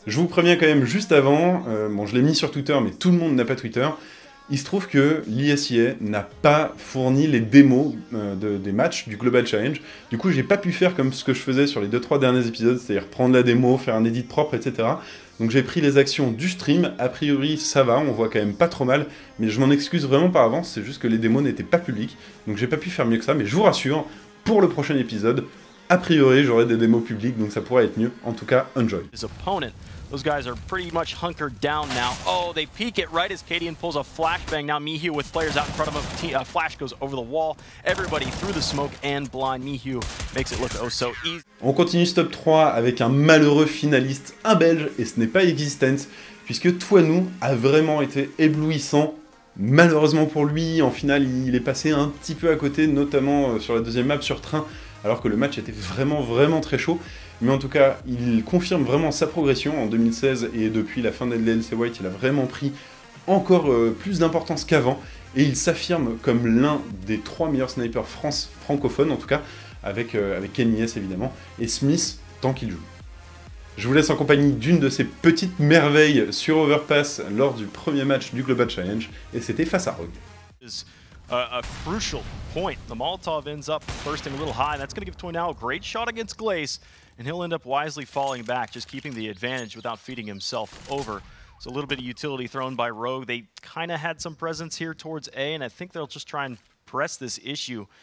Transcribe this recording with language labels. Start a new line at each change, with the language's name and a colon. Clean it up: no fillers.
French: Je vous préviens quand même juste avant, bon je l'ai mis sur Twitter mais tout le monde n'a pas Twitter, il se trouve que l'ISIA n'a pas fourni les démos des matchs du Global Challenge, du coup j'ai pas pu faire comme ce que je faisais sur les 2-3 derniers épisodes, c'est-à-dire prendre la démo, faire un edit propre, etc. Donc j'ai pris les actions du stream, a priori ça va, on voit quand même pas trop mal, mais je m'en excuse vraiment par avance, c'est juste que les démos n'étaient pas publiques, donc j'ai pas pu faire mieux que ça, mais je vous rassure, pour le prochain épisode, a priori, j'aurai des démos publiques, donc ça pourrait être mieux. En tout cas, enjoy.
English: His opponent, those guys are pretty much hunkered down now. Oh, they peek it right as Kadian pulls a flashbang. Now Mihiu with players out in front of him. Flash goes over the wall. Everybody through the smoke and blind. Mihiu makes it look oh so easy.
French: On continue ce top 3 avec un malheureux finaliste, un Belge, et ce n'est pas Existence, puisque Twanu a vraiment été éblouissant. Malheureusement pour lui, en finale, il est passé un petit peu à côté, notamment sur la deuxième map sur train, alors que le match était vraiment, vraiment très chaud. Mais en tout cas, il confirme vraiment sa progression en 2016, et depuis la fin de LDLC White, il a vraiment pris encore plus d'importance qu'avant, et il s'affirme comme l'un des trois meilleurs snipers francophones, en tout cas, avec KNIS évidemment, et Smith, tant qu'il joue. Je vous laisse en compagnie d'une de ces petites merveilles sur Overpass lors du premier match du Global Challenge, et c'était face à Rogue.
English: A crucial point. The Molotov ends up bursting a little high. That's going to give Twanu a great shot against Glaze, and he'll end up wisely falling back, just keeping the advantage without feeding himself over. It's a little bit of utility thrown by Rogue. They kind of had some presence here towards A, and I think they'll just try and press this issue.